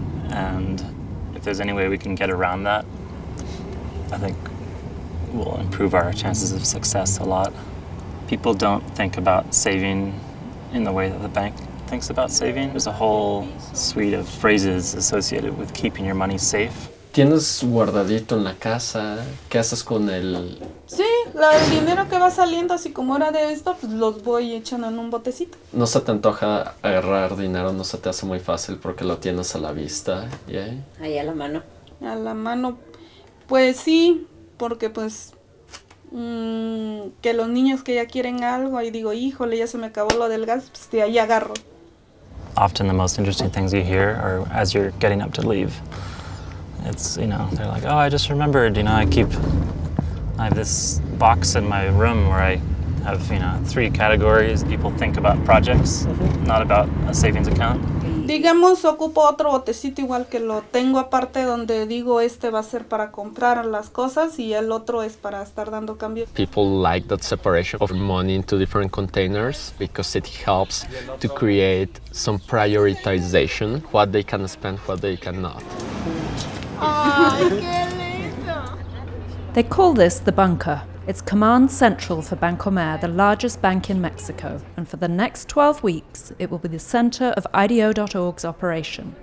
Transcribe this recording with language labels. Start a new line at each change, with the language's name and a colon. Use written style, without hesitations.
English: And if there's any way we can get around that, I think we'll improve our chances of success a lot. People don't think about saving in the way that the bank thinks about saving. There's a whole suite of phrases associated with keeping your money safe.
Spanish: ¿Tienes guardadito en la casa? ¿Qué haces con el...? Sí, el dinero que va saliendo, así como era de esto, pues los voy echando en un botecito. ¿No se te antoja agarrar dinero? ¿No se te hace muy fácil porque lo tienes a la vista?
English: Yeah.
Spanish: Ahí a la mano. A la mano. Pues sí, porque pues que los niños que ya quieren algo y digo, híjole, ya se me acabó lo del gas, pues de ahí agarro.
English: Often the most interesting things you hear are as you're getting up to leave. It's, they're like, oh, I just remembered, I have this box in my room where I have, three categories. People think about projects, not about a savings account.
Spanish: Digamos, ocupo otro botecito igual que lo tengo aparte donde digo este va a ser para comprar las cosas y el otro es para estar dando cambio.
English: People like that separation of money into different containers because it helps to create some prioritization, what they can spend, what they cannot. They call this the bunker. It's command central for Bancomer, the largest bank in Mexico, and for the next 12 weeks, it will be the center of IDEO.org's operation.